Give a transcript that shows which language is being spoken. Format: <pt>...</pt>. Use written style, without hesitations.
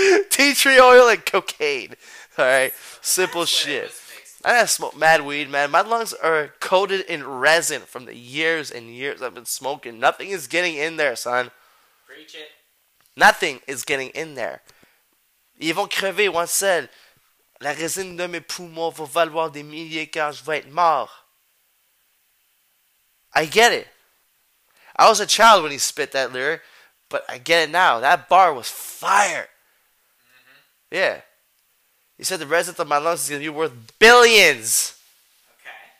<en>Tea tree oil and cocaine. Alright. Simple shit. I have smoked mad weed, man. My lungs are coated in resin from the years and years I've been smoking. Nothing is getting in there, son. Preach it. Nothing is getting in there.</en> <fr>Yvon Crevé once said, la résine de mes poumons va valoir des milliers car je vais être mort.</fr> <en>I get it. I was a child when he spit that lyric, but I get it now. That bar was fire. Mm-hmm. Yeah. He said the resin of my lungs is going to be worth billions. Okay.</en>